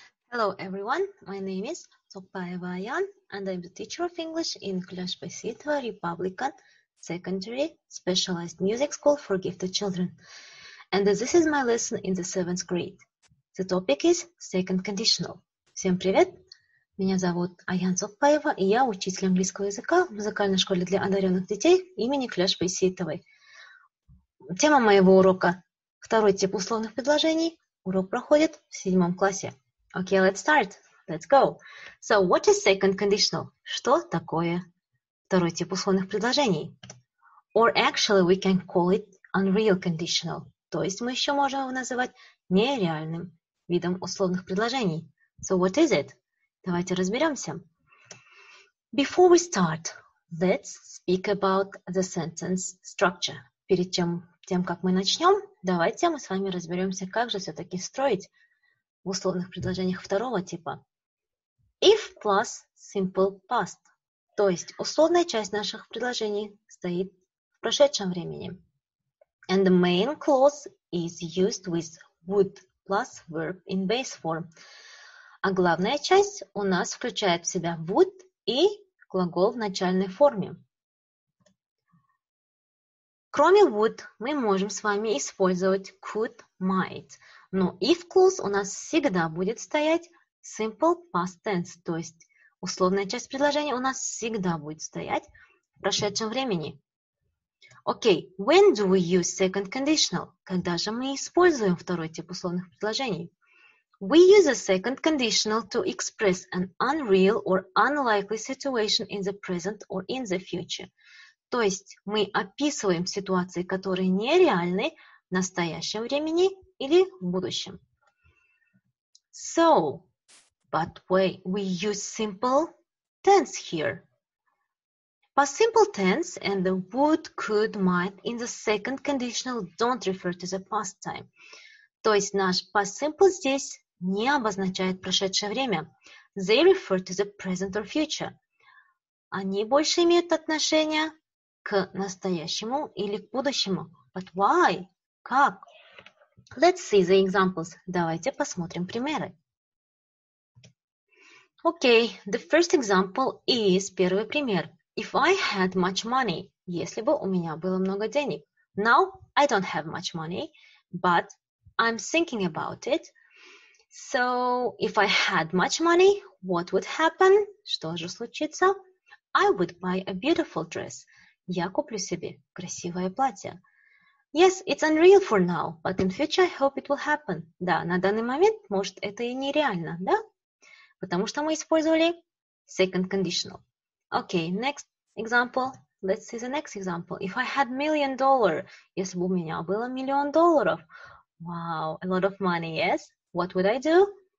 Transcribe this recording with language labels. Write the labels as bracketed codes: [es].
[en] Hello everyone, my name is Sokpaeva Ayan and I'm the teacher of English in Kulash Basitva Republican Secondary Specialized Music School for Gifted Children. And this is my lesson in the 7th grade. The topic is second conditional. [ru] Всем привет! Меня зовут Аян Сокпаева и я учитель английского языка в музыкальной школе для одаренных детей имени Кулаш Байсеитовой. Тема моего урока – второй тип условных предложений. Урок проходит в 7 классе. [en] Okay, let's start. Let's go. So, what is second conditional? [ru] Что такое второй тип условных предложений? [en] Or actually, we can call it unreal conditional. [ru] То есть мы еще можем его называть нереальным видом условных предложений. [en] So, what is it? [ru] Давайте разберемся. [en] Before we start, let's speak about the sentence structure. [ru] Перед тем, как мы начнем, давайте мы с вами разберемся, как же все-таки строить в условных предложениях второго типа. [en] If plus simple past. [ru] То есть условная часть наших предложений стоит в прошедшем времени. [en] And the main clause is used with would plus verb in base form. [ru] А главная часть у нас включает в себя would и глагол в начальной форме. Кроме would, мы можем с вами использовать could, might. Но if clause у нас всегда будет стоять simple past tense, то есть условная часть предложения у нас всегда будет стоять в прошедшем времени. [en] Окей, when do we use second conditional? [ru] Когда же мы используем второй тип условных предложений? [en] We use a second conditional to express an unreal or unlikely situation in the present or in the future. [ru] То есть мы описываем ситуации, которые нереальны в настоящем времени или в будущем. [en] So, but we use simple tense here. But simple tense and the would, could, might in the second conditional don't refer to the past time. [ru] То есть наш past simple здесь не обозначает прошедшее время. [en] They refer to the present or future. [ru] Они больше имеют отношение к настоящему или к будущему. [en] But why? Как? Let's see the examples. [ru] Давайте посмотрим примеры. [en] Okay, the first example is [ru] первый пример. [en] If I had much money, [ru] если бы у меня было много денег. [en] Now I don't have much money, but I'm thinking about it. So if I had much money, what would happen? [ru] Что же случится? [en] I would buy a beautiful dress. [ru] Я куплю себе красивое платье. [en] Yes, it's unreal for now, but in future I hope it will happen. [ru] Да, на данный момент, может, это и нереально, да? Потому что мы использовали second conditional. [en] Okay, next example. Let's see the next example. If I had $1 million, [ru] если бы у меня было [en] $1 million. Wow, a lot of money, yes? What would I do?